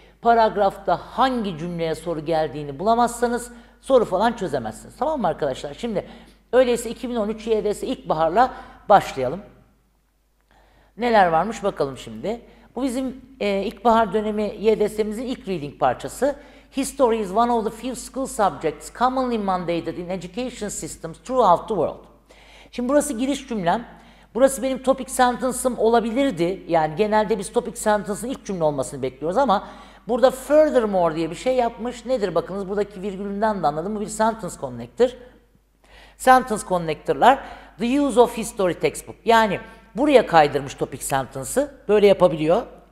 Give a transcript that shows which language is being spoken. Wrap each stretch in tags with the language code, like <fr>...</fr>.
<tr>Paragrafta hangi cümleye soru geldiğini bulamazsanız soru falan çözemezsiniz. Tamam mı arkadaşlar? Şimdi öyleyse 2013 YDS ilkbaharla başlayalım. Neler varmış bakalım şimdi. Bu bizim ilkbahar dönemi YDS'imizin ilk reading parçası.</tr> <en>History is one of the few school subjects commonly mandated in education systems throughout the world.</en> <tr>Şimdi burası giriş cümlem. Burası benim topic sentence'ım olabilirdi. Yani genelde biz topic sentence'ın ilk cümle olmasını bekliyoruz ama burada furthermore diye bir şey yapmış. Nedir bakınız buradaki virgülünden de anladım. Bu bir sentence connector. Sentence connector'lar.</tr> <en>The use of history textbook.</en> <tr>Yani buraya kaydırmış topic sentence'ı. Böyle yapabiliyor.</tr>